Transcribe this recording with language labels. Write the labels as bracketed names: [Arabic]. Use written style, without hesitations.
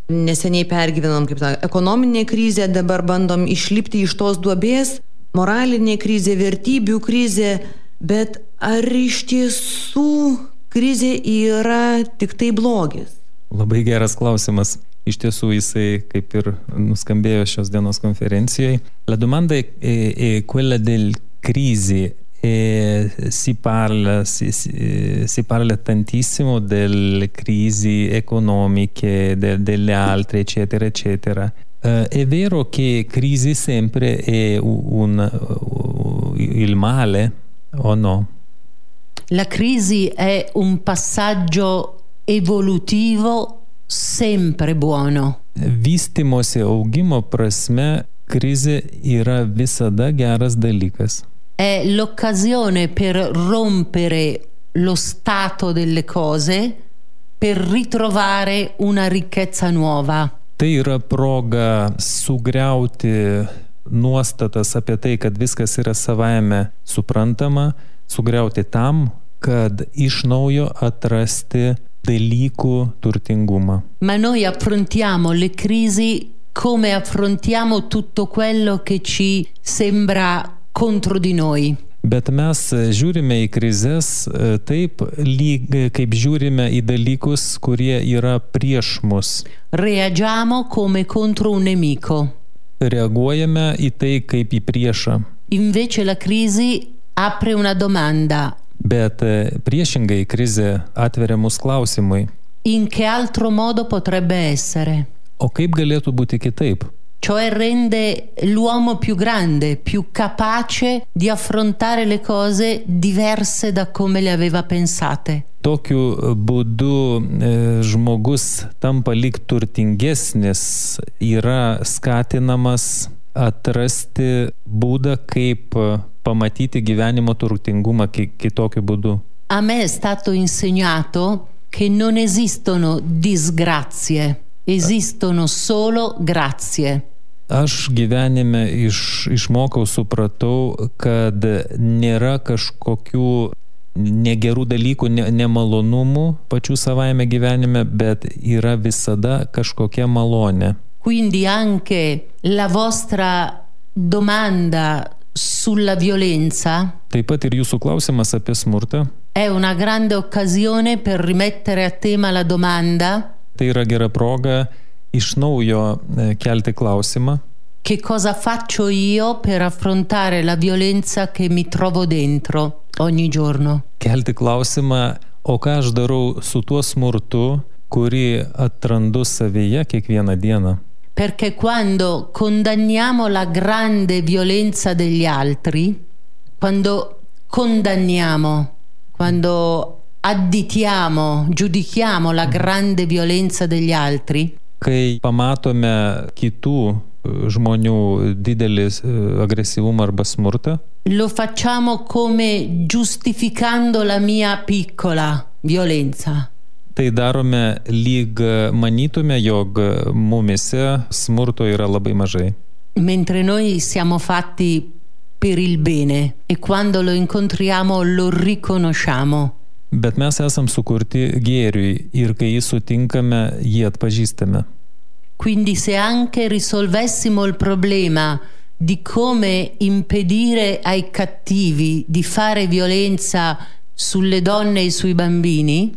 [Lithuanian] Neseniai pergyvenom, kaip sakė, ekonominė krizė, dabar bandom išlipti iš tos duobės, moralinė krizė, vertybių krizė, bet ar iš tiesų krizė yra tik tai blogis? Labai geras klausimas. Iš tiesų jisai kaip ir nuskambėjo šios dienos konferencijoje. [Italian] La domanda è quella del crisi. Si parla tantissimo delle crisi economiche, delle altre, eccetera, eccetera. È vero che crisi sempre è il male o no? La crisi è un passaggio evolutivo sempre buono. [Lithuanian] Vystimosi augimo prasme, krizė yra visada geras dalykas. [Italian] È l'occasione per rompere lo stato delle cose, per ritrovare una ricchezza nuova. [Lithuanian] Tai yra proga sugriauti nuostatas apie tai, kad viskas yra savaime suprantama, sugriauti tam, kad iš naujo atrasti dalykų turtingumą. [Italian] Ma noi affrontiamo le crisi come affrontiamo tutto quello che ci sembra contro di noi. [Lithuanian] Bet mes žiūrime į krizes taip, lyg kaip žiūrime į dalykus, kurie yra prieš mus. [Italian] Reagiamo come contro un nemico. [Lithuanian] Reaguojame į tai kaip į priešą. [Italian] Invece la crisi apre una domanda. [Lithuanian] Bet priešingai krizė atveria mus klausimui. [Italian] In che altro modo potrebbe essere? [Lithuanian] O kaip galėtų būti kitaip? [Italian] Cioè rende l'uomo più grande, più capace di affrontare le cose diverse da come le aveva pensate. [Lithuanian] Tokiu būdu žmogus tampa lyg turtingesnis, yra skatinamas atrasti būdą, kaip pamatyti gyvenimo turtingumą kitokiu būdu. [Italian] A me è stato insegnato che non esistono disgrazie, esistono solo grazie. [Lithuanian] Aš gyvenime išmokau, supratau, kad nėra kažkokių negerų dalykų, nemalonumų pačių savaime gyvenime, bet yra visada kažkokia malonė. [Italian] Quindi anche la vostra domanda sulla violenza. [Lithuanian] Taip pat ir jūsų klausimas apie smurtą. [Italian] È una grande occasione per rimettere a tema la domanda. [Lithuanian] Tai yra gera proga iš naujo kelti klausimą. [Italian] Che cosa faccio io per affrontare la violenza che mi trovo dentro ogni giorno? [Lithuanian] Kelti klausimą, o ką aš darau su tuo smurtu, kurį atrandu savyje kiekvieną dieną? [Italian] Perché quando condanniamo la grande violenza degli altri, quando condanniamo, quando additiamo, giudichiamo la grande violenza degli altri, [Lithuanian] kai pamatome kitų žmonių didelį agresyvumą arba smurtą, [Italian] lo facciamo come giustificando la mia piccola violenza. [Lithuanian] Tai darome lyg manytume, jog mumise smurto yra labai mažai. [Italian] Mentre noi siamo fatti per il bene e quando lo incontriamo lo riconosciamo. [Lithuanian] Bet mes esam sukurti gėriui ir kai jį sutinkame, jį atpažįstame. [Italian] Quindi se anche risolvessimo il problema di come impedire ai cattivi di fare violenza sulle donne e sui bambini.